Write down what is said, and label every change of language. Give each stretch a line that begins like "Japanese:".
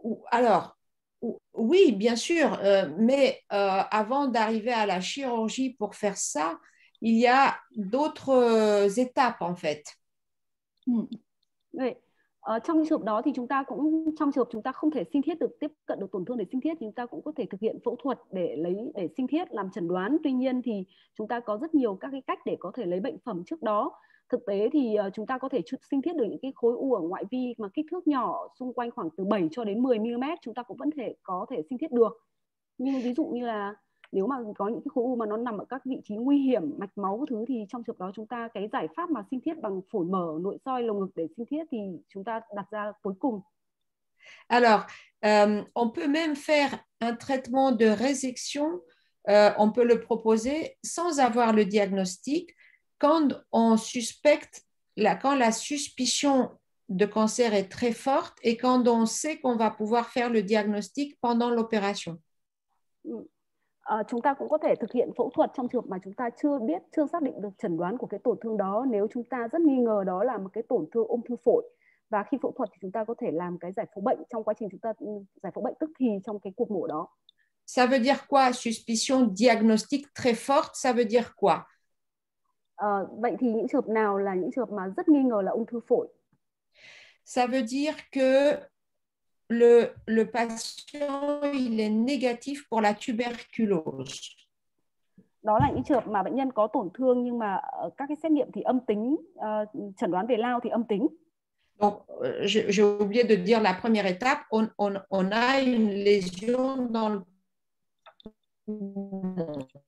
French: Alors oui, bien sûr, mais avant d'arriver à la chirurgie pour faire ça, il y a d'autres étapes en fait. Oui.
Vietnamese: Trong trường hợp đó thì chúng ta cũng trong trường hợp chúng ta không thể sinh thiết được tiếp cận được tổn thương để sinh thiết thì chúng ta cũng có thể thực hiện phẫu thuật để lấy để sinh thiết làm chẩn đoán. Tuy nhiên thì chúng ta có rất nhiều các cái cách để có thể lấy bệnh phẩm trước đó. Thực tế thì chúng ta có thể sinh thiết được những cái khối u ở ngoại vi mà kích thước nhỏ xung quanh khoảng từ 7 cho đến 10 mm chúng ta cũng vẫn thể có thể sinh thiết được. Nhưng ví dụ như là nếu mà có những cái khối u mà nó nằm ở các vị trí nguy hiểm mạch máu thứ thì trong trường hợp đó chúng ta cái giải pháp mà sinh thiết bằng phổi mở nội soi lồng ngực để sinh thiết thì chúng ta đặt ra cuối cùng.
French: Alors, on peut même faire un traitement de résection, on peut le proposer sans avoir le diagnostic quand on suspecte quand la suspicion de cancer est très forte et quand on sait qu'on va pouvoir faire le diagnostic pendant l'opération.
Vietnamese: Chúng ta cũng có thể thực hiện phẫu thuật trong trường hợp mà chúng ta chưa xác định được chẩn đoán của cái tổn thương đó nếu chúng ta rất nghi ngờ đó là một cái tổn thương ung thư phổi và khi phẫu thuật thì chúng ta có thể làm cái giải phẫu bệnh trong quá trình chúng ta giải phẫu bệnh tức thì trong cái cuộc mổ đó.
French: Ça veut dire quoi, suspicion diagnostique très forte, ça veut dire quoi?
Vietnamese: Vậy thì những trường hợp nào là những trường hợp mà rất nghi ngờ là ung thư phổi?
French: Ça veut dire que Le patient, il est négatif pour la tuberculose.
Vietnamese: Đó là những trường hợp mà bệnh nhân có tổn thương nhưng mà các cái xét nghiệm thì âm tính, chẩn đoán về lao thì âm tính.
French: Donc, j'ai oublié de dire la première étape, on a une lésion dans le poumon.